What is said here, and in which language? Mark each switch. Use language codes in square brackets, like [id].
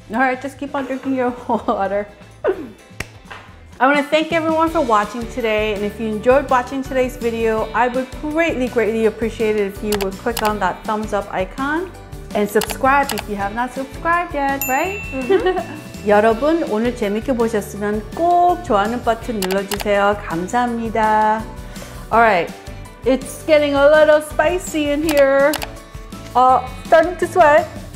[en] All right, just keep on drinking your water. I wanna thank everyone for watching today. And if you enjoyed watching today's video, I would greatly, greatly appreciate it if you would click on that thumbs up icon and subscribe if you have not subscribed yet, right? Mm-hmm. [ko] 여러분, 오늘 재밌게 보셨으면 꼭 좋아요 버튼 눌러주세요. 감사합니다. [en] All right, it's getting a little spicy in here. Starting to sweat.